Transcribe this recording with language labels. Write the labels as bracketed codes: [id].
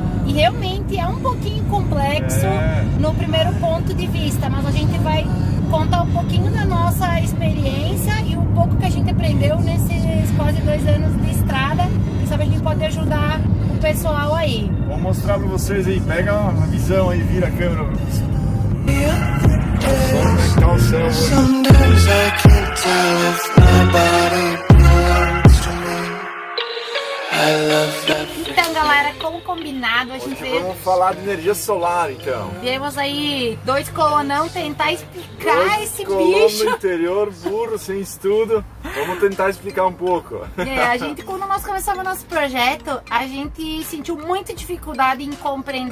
[pt] E realmente é um pouquinho complexo no primeiro ponto de vista. Mas a gente vai contar um pouquinho da nossa experiência e um pouco que a gente aprendeu nesses quase 2 anos de estrada. Sabe, a gente pode ajudar o pessoal aí. Vou mostrar pra vocês aí. Pega uma visão aí, vira a câmera. [en] Sometimes I can't tell if my body belongs to me. I love that. [pt] Então, galera, como combinado, a gente veio. Vamos falar de energia solar, então. Viemos aí, dois colonão, tentar explicar dois esse colono bicho. Colono interior, burro, sem estudo. Vamos tentar explicar um pouco. É, a gente, quando nós começamos o nosso projeto, a gente sentiu muita dificuldade em compreender.